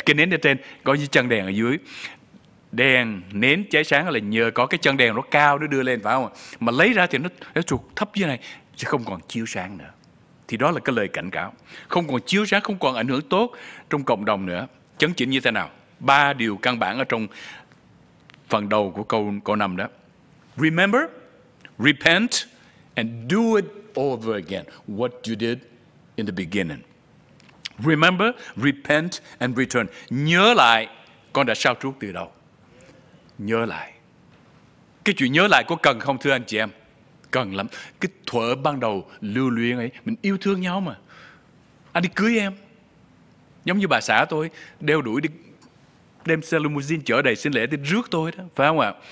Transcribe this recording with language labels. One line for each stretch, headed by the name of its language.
Vietnamese: Cây nến ở trên, có như chân đèn ở dưới. Đèn, nến cháy sáng là nhờ có cái chân đèn nó cao, nó đưa lên, phải không ạ? À? Mà lấy ra thì nó sụt thấp dưới này, sẽ không còn chiếu sáng nữa. Thì đó là cái lời cảnh cáo. Không còn chiếu sáng, không còn ảnh hưởng tốt trong cộng đồng nữa. Chấn chỉnh như thế nào? Ba điều căn bản ở trong phần đầu của câu 5 đó.
English: Remember, repent, and do it over again. What you did in the beginning. Remember, repent and return.
Vietnamese: Nhớ lại con đã sao trút từ đầu. Nhớ lại. Cái chuyện nhớ lại có cần không thưa anh chị em? Cần lắm. Cái thuở ban đầu lưu luyến ấy, mình yêu thương nhau mà. Anh đi cưới em. Giống như bà xã tôi đeo đuổi đi đem xe limousine chở đầy sinh lễ đi rước tôi đó, phải không ạ?